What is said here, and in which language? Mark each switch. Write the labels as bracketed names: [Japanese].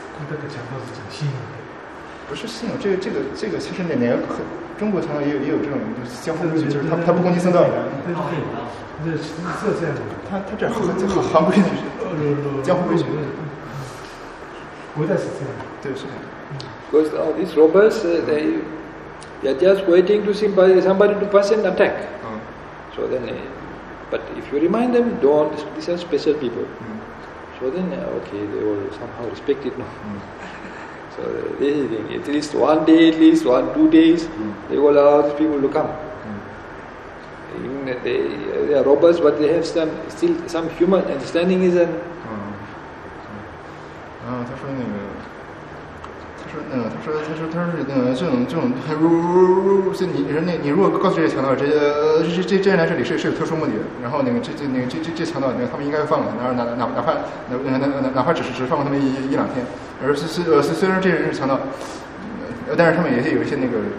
[Chinese] 那个强盗是讲信仰的，不是信仰，这个其实连和中国强盗也有这种相互攻击，就是他不攻击僧道。对对对，是这样的。他这样很行规矩，江湖规矩。古代是这样的，对，是这样。 [English] Because all these robbers, they are just waiting to see somebody to pass an attack. So then, but if you remind them, don't. These are special people. So then, okay, they will somehow respect it. No. So they think at least one day, at least one, 2 days, they will allow the people to come. Even they are robbers, but they have still some human understanding, isn't? [Chinese] 然后他说那个。他说这种如果告诉这些强盗，这人来这里是有特殊目的的，然后这强盗他们应该放了，哪怕只是放过他们一两天，而虽然这些人是强盗，但是他们也有一些那个